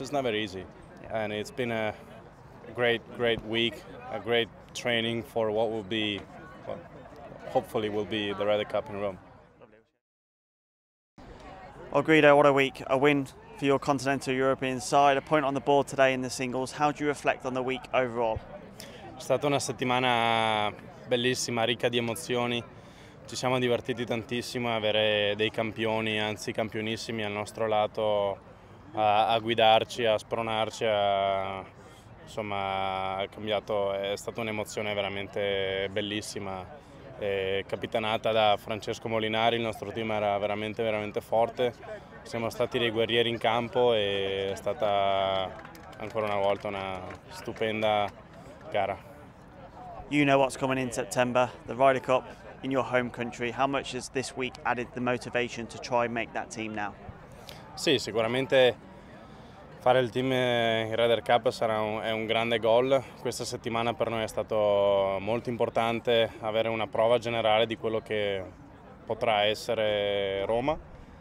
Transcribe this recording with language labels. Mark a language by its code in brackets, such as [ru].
[en] It's never easy, and it's been a great week, a great training for what will be, well, hopefully will be the Ryder Cup in Rome. Well, Guido, what a week. A win for your continental European side, a point on the board today in the singles. How do you reflect on the week overall? [it] È stata una settimana bellissima, ricca di emozioni. Ci siamo divertiti tantissimo a avere dei campioni, anzi campionissimi al nostro lato, a guidarci, a spronarci, insomma, è stata un'emozione veramente bellissima. Capitanata da Francesco Molinari, il nostro team era veramente veramente forte, siamo stati dei guerrieri in campo e è stata ancora una volta una stupenda gara. [en] You know what's coming in September, the Ryder Cup in your home country. How much has this week added the motivation to try and make that team now? [it] Sì, sicuramente fare il team in Ryder Cup è un grande goal. Questa settimana per noi è stato molto importante avere una prova generale di quello che potrà essere Roma.